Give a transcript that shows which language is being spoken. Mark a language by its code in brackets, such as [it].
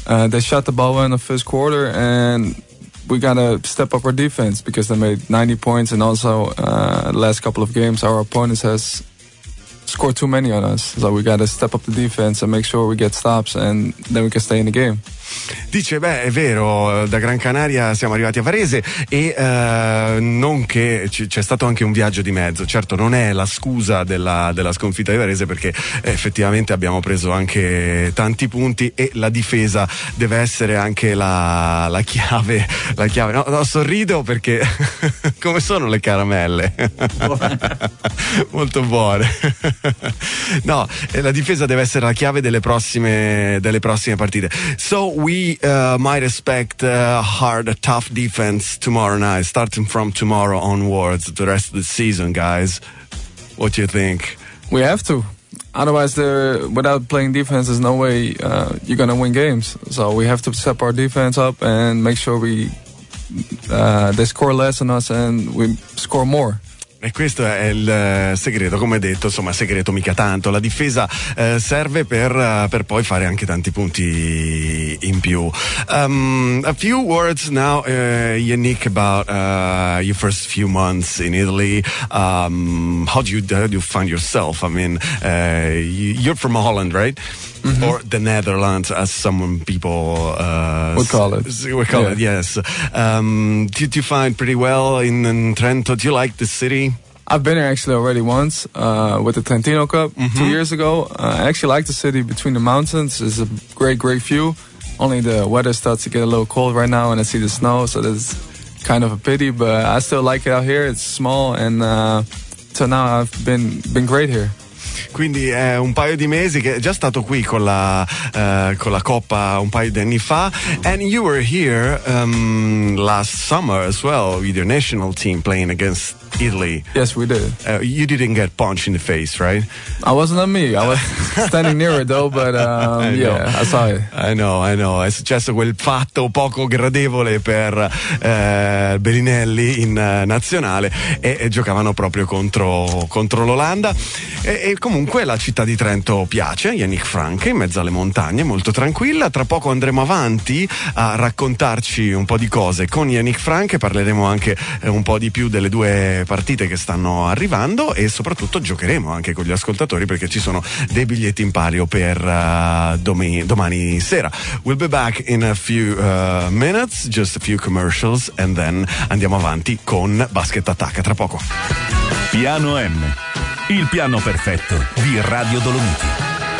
[en] They shot the ball in the first quarter and we gotta step up our defense because they made 90 points, and also the last couple of games our opponents has scored too many on us, so we gotta step up the defense and make sure we get stops and then we can stay in the game. [it] Dice, beh, è vero, da Gran Canaria siamo arrivati a Varese e non che c'è stato anche un viaggio di mezzo, certo non è la scusa della sconfitta di Varese, perché effettivamente abbiamo preso anche tanti punti e la difesa deve essere anche la chiave. No, sorrido perché come sono le caramelle? Buone. Molto buone. No, la difesa deve essere la chiave delle prossime partite. [en] So we might expect hard, a tough defense tomorrow night, starting from tomorrow onwards, the rest of the season, guys. What do you think? We have to. Otherwise, without playing defense, there's no way you're going to win games. So we have to step our defense up and make sure they score less on us and we score more. [it] E questo è il segreto, come detto, insomma, segreto mica tanto. La difesa serve per poi fare anche tanti punti in più. [en] A few words now, Yannick, about your first few months in Italy. How do you find yourself? I mean, you're from Holland, right? Mm-hmm. Or the Netherlands, as some people would call it, yes. Did you find pretty well in Trento? Do you like the city? I've been here actually already once with the Trentino Cup, mm-hmm, 2 years ago. I actually like the city between the mountains. It's a great, great view. Only the weather starts to get a little cold right now and I see the snow, so that's kind of a pity, but I still like it out here. It's small, and till now I've been great here. [it] Quindi è un paio di mesi che è già stato qui con la coppa un paio di anni fa. [en] And you were here last summer as well with your national team playing against Italy. Yes, we did. You didn't get punched in the face, right? I wasn't on me. I was standing near it though, but I saw it. I know. [it] È successo quel fatto poco gradevole per Belinelli in nazionale e giocavano proprio contro l'Olanda. E comunque la città di Trento piace, Yannick Franke, in mezzo alle montagne, molto tranquilla. Tra poco andremo avanti a raccontarci un po' di cose con Yannick Franke, parleremo anche un po' di più delle due partite che stanno arrivando e soprattutto giocheremo anche con gli ascoltatori perché ci sono dei biglietti in pario per domani sera. [en] We'll be back in a few minutes, just a few commercials, and then [it] andiamo avanti con [en] Basket Attack. [it] Tra poco. Piano M, il piano perfetto di Radio Dolomiti.